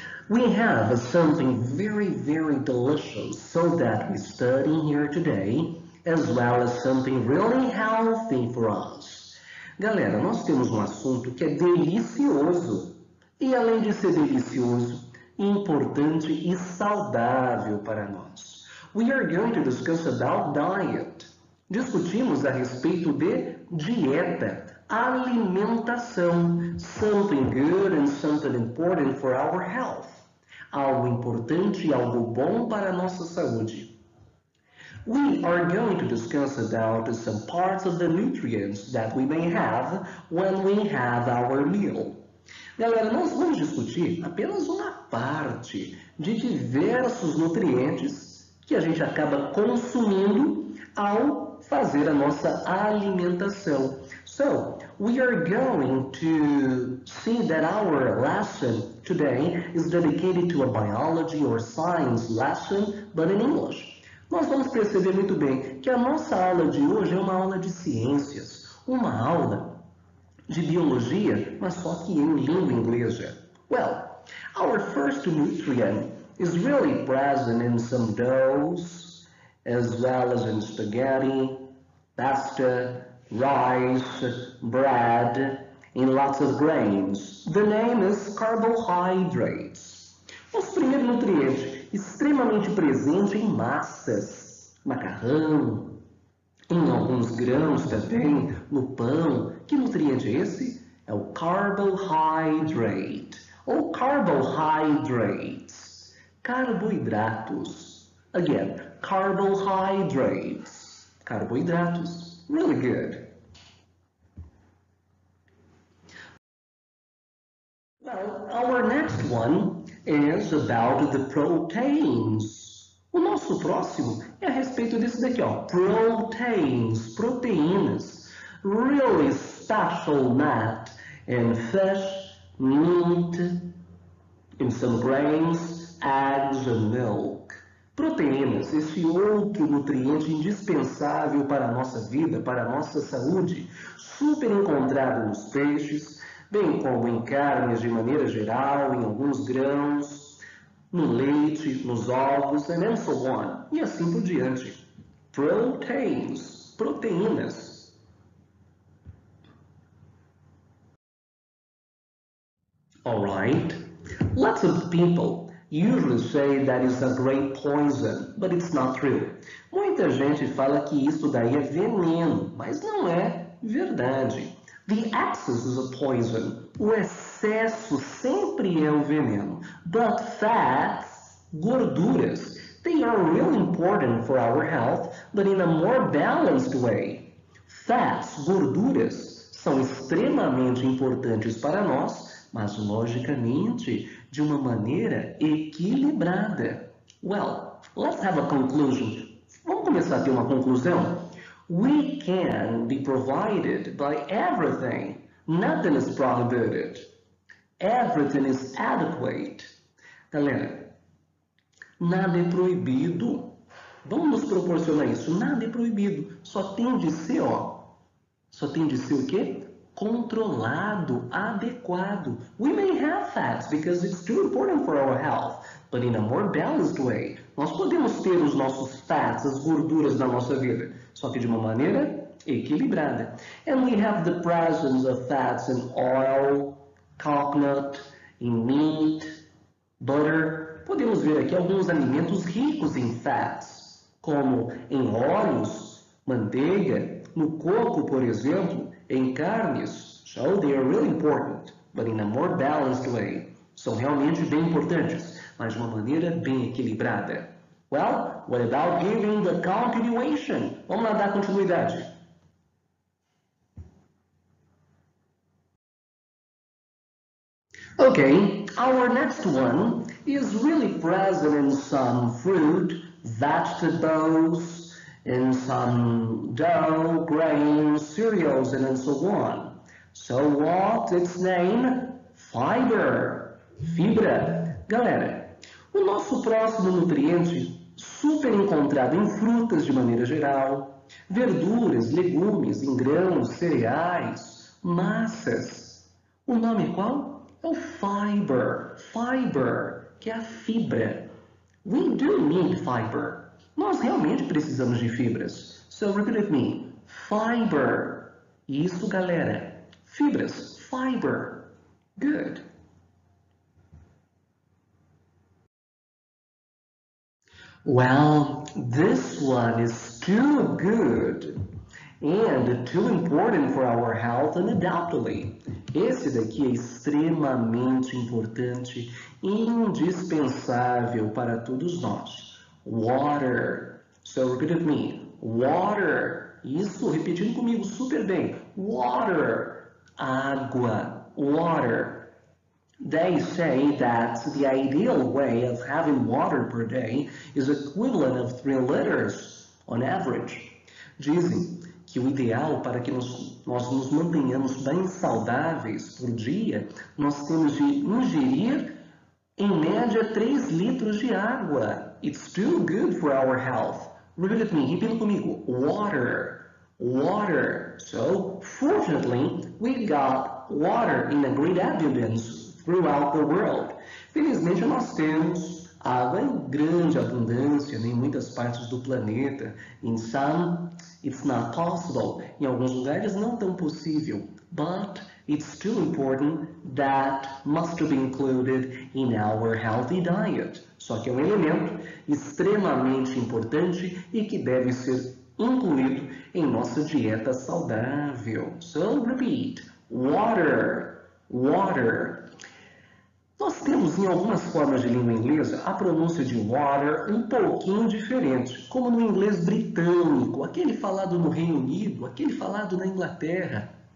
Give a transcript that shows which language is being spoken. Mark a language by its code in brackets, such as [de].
[en] We have something very, very delicious so that we study here today, as well as something really healthy for us. [pt] Galera, nós temos assunto que é delicioso. E além de ser delicioso, importante e saudável para nós. [en] We are going to discuss about diet. [pt] Discutimos a respeito de dieta, alimentação, [en] something good and something important for our health. [pt] Algo importante e algo bom para a nossa saúde. [en] We are going to discuss about some parts of the nutrients that we may have when we have our meal. [pt] Galera, nós vamos discutir apenas uma parte de diversos nutrientes que a gente acaba consumindo ao fazer a nossa alimentação. [en] So, we are going to see that our lesson today is dedicated to a biology or science lesson, but in English. [pt] Nós vamos perceber muito bem que a nossa aula de hoje é uma aula de ciências, uma aula de biologia, mas só que em língua inglesa. [en] Well, our first nutrient is really present in some doughs, as well as in spaghetti, pasta, rice, bread, in lots of grains. The name is carbohydrates. [pt] O primeiro nutriente extremamente presente em massas, macarrão, em alguns grãos também, no pão. Que nutriente é esse? É o carbohydrate. Ou carbohydrates. Carboidratos. [en] Again, carbohydrates. [pt] Carboidratos. [en] Really good. Well, our next one is about the proteins. [pt] O nosso próximo é a respeito disso daqui, ó. [en] Proteins, proteínas. Really special nut in fish, meat, in some grains, eggs and milk. [pt] Proteínas, esse outro nutriente indispensável para a nossa vida, para a nossa saúde, super encontrado nos peixes, bem como em carnes de maneira geral, em alguns grãos, no leite, nos ovos, [en] and so on, [pt] e assim por diante. [en] Proteins, proteínas. All right. Lots of people usually say that it's a great poison, but it's not true. [pt] Muita gente fala que isso daí é veneno, mas não é verdade. [en] The excess is a poison. [pt] O excesso sempre é um veneno. [en] But fats, gorduras, they are really important for our health, but in a more balanced way. [pt] Fats, gorduras, são extremamente importantes para nós, mas logicamente de uma maneira equilibrada. [en] Well, let's have a conclusion. [pt] Vamos começar a ter uma conclusão? [en] We can be provided by everything. Nothing is prohibited. Everything is adequate. [pt] Galera, nada é proibido. Vamos nos proporcionar isso. Nada é proibido. Só tem de ser, ó. Só tem de ser o quê? Controlado, adequado. [en] We may have fats because it's too important for our health, but in a more balanced way. [pt] Nós podemos ter os nossos fats, as gorduras da nossa vida, só que de uma maneira equilibrada. [en] And we have the presence of fats in oil, coconut, in meat, butter. [pt] Podemos ver aqui alguns alimentos ricos em fats, como em óleos, manteiga, no coco, por exemplo, em carnes. [en] So they are really important, but in a more balanced way. [pt] São realmente bem importantes, mas de uma maneira bem equilibrada. [en] Well, what about giving the continuation? [pt] Vamos lá dar continuidade. [en] Okay, our next one is really present in some fruit, vegetables, in some dough, grains, cereals, and so on. So what its name? Fiber. [pt] Fibra. Galera, o nosso próximo nutriente super encontrado em frutas de maneira geral, verduras, legumes, em grãos, cereais, massas. O nome é qual? É o fiber, fiber, que é a fibra. [en] We do need fiber. [pt] Nós realmente precisamos de fibras. [en] So repeat with me, fiber. [pt] Isso, galera. [en] Fibras, fiber. Good. Well, this one is too good and too important for our health, undoubtedly. [pt] Esse daqui é extremamente importante e indispensável para todos nós. [en] Water. So repeat with me. Water. [pt] Isso, repetindo comigo super bem. Water. Água. Water. [en] They say that the ideal way of having water per day is equivalent of 3 liters on average. [pt] Dizem que o ideal para que nós nos mantenhamos bem saudáveis por dia, nós temos de ingerir em média 3 litros de água. [en] It's too good for our health. Repeat with me, [pt] repita comigo. [en] Water. Water. So, fortunately, we got water in a great abundance throughout the world. [pt] Felizmente, nós temos água em grande abundância em muitas partes do planeta. [en] In some, it's not possible. [pt] Em alguns lugares, não tão possível. [en] But it's too important that must be included in our healthy diet. [pt] Só que é elemento extremamente importante e que deve ser incluído em nossa dieta saudável. [en] So, repeat. Water. Water. [pt] Nós temos em algumas formas de língua inglesa a pronúncia de water um pouquinho diferente, como no inglês britânico, aquele falado no Reino Unido, aquele falado na Inglaterra.